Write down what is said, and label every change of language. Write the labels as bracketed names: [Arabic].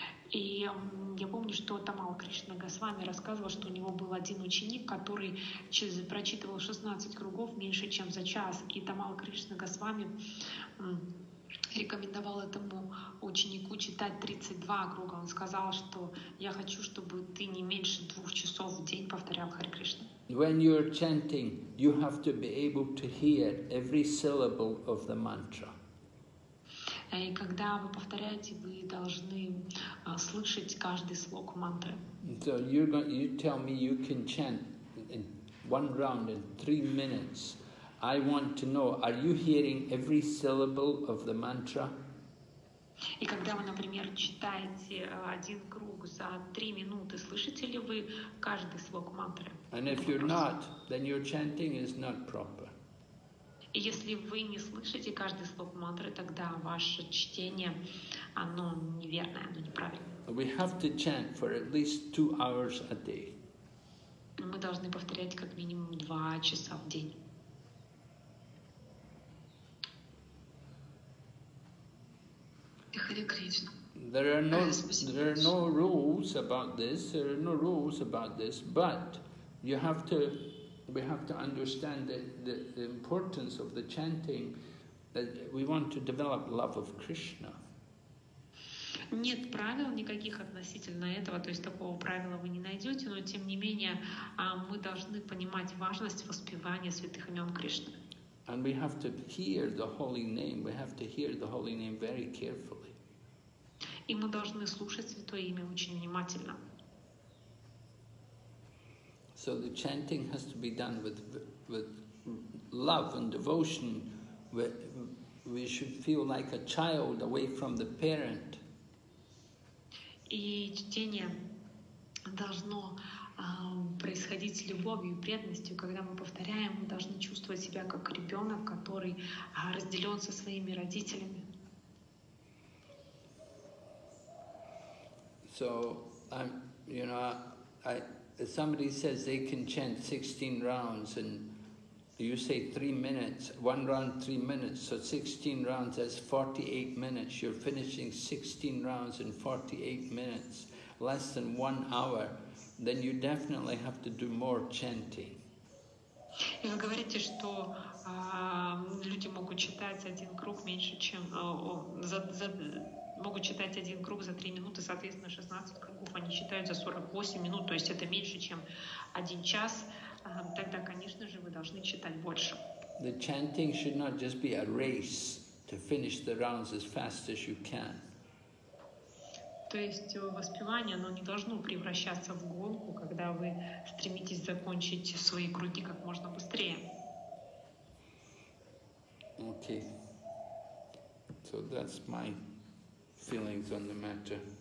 [Russian] И я помню, что Тамал Кришна Госвами рассказывал, что у него был один ученик, который прочитывал 16 кругов меньше, чем за час. И Тамал Кришна Госвами рекомендовал этому ученику читать 32 круга. Он сказал, что я хочу, чтобы ты не меньше 2 часов в день повторял Харе Кришна. [English] When you're chanting, you have to be able to hear every syllable of the mantra. [Russian] И когда вы повторяете, вы должны слышать каждый слог мантры. [English] So you tell me you can chant in one round in 3 minutes. I want to know, are you hearing every syllable of the mantra? [Russian] И когда вы, например, читаете один круг за 3 минуты, слышите ли вы каждый слог мантры? [English] And if you're not, then your chanting is not proper. [Russian] И если вы не слышите каждый слог мантры, тогда ваше чтение, оно неверное, оно неправильное. [English] We have to chant for at least 2 hours a day. [Russian] Мы должны повторять как минимум 2 часа в день. [English] There are no rules about this. There are no rules about this, but we have to understand the importance of the chanting, that we want to develop love of Krishna. [Russian] Нет правил никаких относительно этого, то есть такого правила вы не найдете, но тем не менее мы должны понимать важность воспевания святых имен Кришны. [English] And we have to hear the holy name. We have to hear the holy name very carefully. [Russian] И мы должны слушать Святое Имя очень внимательно. [English] So the chanting has to be done with love and devotion. We should feel like a child away from the parent. [Russian] И чтение должно происходить с любовью и преданностью. Когда мы повторяем, мы должны чувствовать себя как ребенок, который разделен со своими родителями. [English] So, somebody says they can chant 16 rounds in You say 3 minutes, one round 3 minutes, so 16 rounds, that's 48 minutes. You're finishing 16 rounds in 48 minutes, less than 1 hour. Then you definitely have to do more chanting. [Russian] И вы говорите, что люди могут читать один круг меньше, чем могут читать один круг за 3 минуты, соответственно, 16 кругов они читают за 48 минут, то есть это меньше, чем 1 час. Тогда, конечно же, вы должны читать больше. [English] The chanting should not just be a race to finish the rounds as fast as you can. [Russian] То есть воспевание, оно не должно превращаться в гонку, когда вы стремитесь закончить свои круги как можно быстрее. [English] Okay. So that's my feelings on the matter.